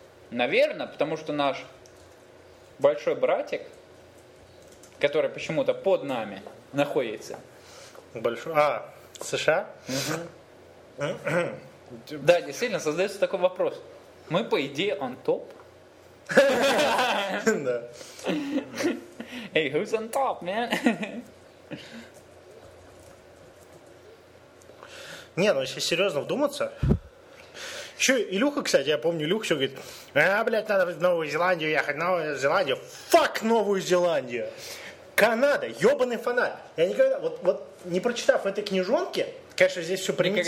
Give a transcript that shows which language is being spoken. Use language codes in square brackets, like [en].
[ru] Наверное, потому что наш большой братик, который почему-то под нами находится. Большой? А, США? Угу. Да, действительно, создается такой вопрос. Мы, по идее, [en] on top? [ru] Да. Эй, [en] who's on top, man? [ru] Не, ну если серьезно вдуматься... Еще Илюха, кстати, я помню, Илюха еще говорит: блядь, надо в Новую Зеландию ехать, Новую Зеландию, фак Новую Зеландию, Канада, ебаный фонарь. Я никогда, вот не прочитав этой книжонке, конечно, здесь все примитивно.